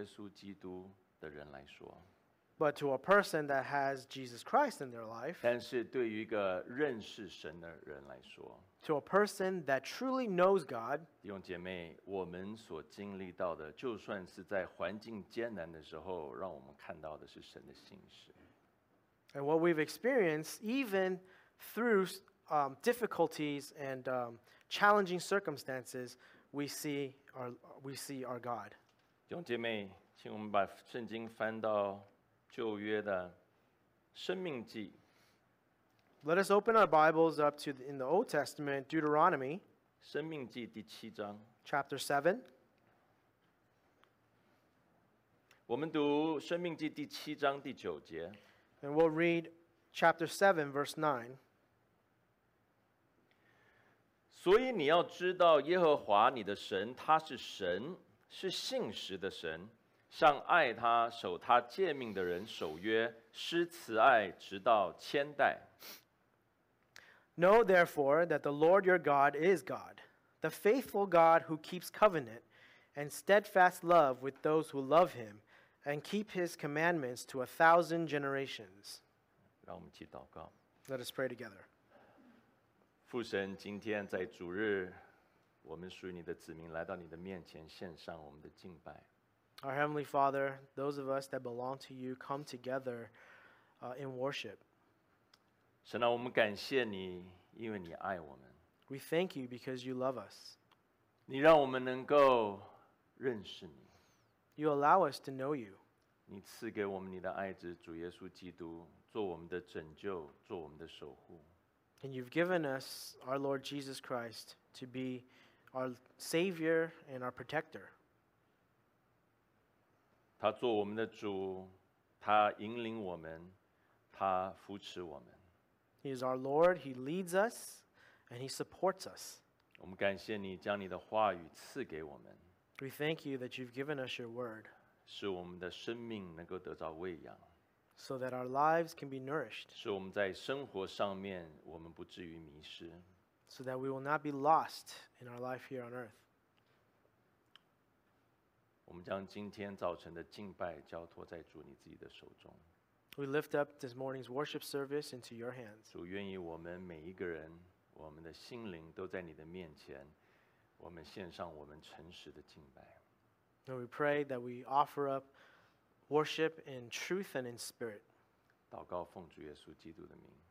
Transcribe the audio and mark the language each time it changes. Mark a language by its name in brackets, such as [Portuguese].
[Chinese] 但是对于有主耶稣基督的人来说, [English] But to a person that has Jesus Christ in their life, [Chinese] 但是对于一个认识神的人来说, [English] To a person that truly knows God, [Chinese] 弟兄姐妹，我们所经历到的，就算是在环境艰难的时候，让我们看到的是神的信实。 [English] And what we've experienced, even through difficulties and challenging circumstances, we see our God. [Chinese] 弟兄姐妹，请我们把圣经翻到旧约的生命记。 [English] Let us open our Bibles up to in the Old Testament, Deuteronomy. [Chinese] 生命记第七章。 [English] Chapter 7. [Chinese] 我们读《生命记》第七章第九节。 [English] And we'll read chapter 7, verse 9. [Chinese] 所以你要知道耶和华你的神，他是神，是信实的神，向爱他、守他诫命的人守约，施慈爱直到千代。 [English] Know therefore that the Lord your God is God, the faithful God who keeps covenant and steadfast love with those who love him,and keep his commandments to 1,000 generations. Let us pray together. [Chinese] 父神，今天在主日，我们属于你的子民来到你的面前，献上我们的敬拜。 [English] Our Heavenly Father, those of us that belong to you come together in worship. [Chinese] 神啊，我们感谢你，因为你爱我们。 [English] We thank you because you love us. [Chinese] 你让我们能够认识你。 [English] You allow us to know you. [Chinese] 你赐给我们你的爱子主耶稣基督，做我们的拯救，做我们的守护。 [English] And you've given us our Lord Jesus Christ to be our Savior and our Protector. [Chinese] 他做我们的主，他引领我们，他扶持我们。 [English] He is our Lord, He leads us, and He supports us. [Chinese] 我们感谢你将你的话语赐给我们。 [English] We thank you that you've given us your word. [Chinese] 使我们的生命能够得到喂养。 [English] So that our lives can be nourished. [Chinese] 使我们在生活上面我们不至于迷失。 [English] So that we will not be lost in our life here on earth. [Chinese] 我们将今天早晨的敬拜交托在主你自己的手中。 [English] We lift up this morning's worship service into your hands. [Chinese] 主愿意我们每一个人，我们的心灵都在你的面前。我们献上我们诚实的敬拜。 [English] And we pray that we offer up worship in truth and in spirit. [Chinese] 祷告奉主耶稣基督的名。